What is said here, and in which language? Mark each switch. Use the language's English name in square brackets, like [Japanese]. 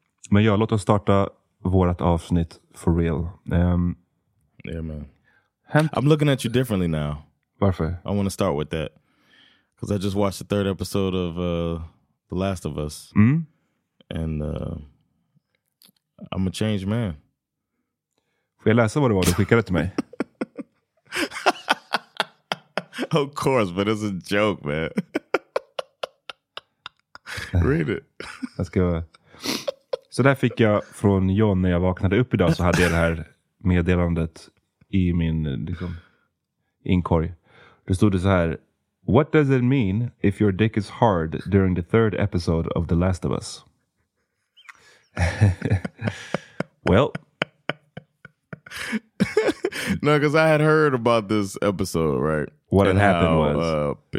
[Swedish] Men ja, låt oss starta vårt avsnitt [English] for real. Yeah, man. I'm looking at you differently now. [Swedish] Varför? [English] I want to start with that. Because I just watched the third episode of The Last of Us. Mm. And I'm a changed man. [Swedish] Får jag läsa vad det var du skickade till mig? [English] Of course, but it's a joke, man. Read it. [Swedish] Jag ska... Så där fick jag från John när jag vaknade upp idag, så hade jag det här meddelandet i min liksom, inkorg. Det stod det så här: [English] what does it mean if your dick is hard during the third episode of The Last of Us? Well... No, because I had heard about this episode, right? What had happened was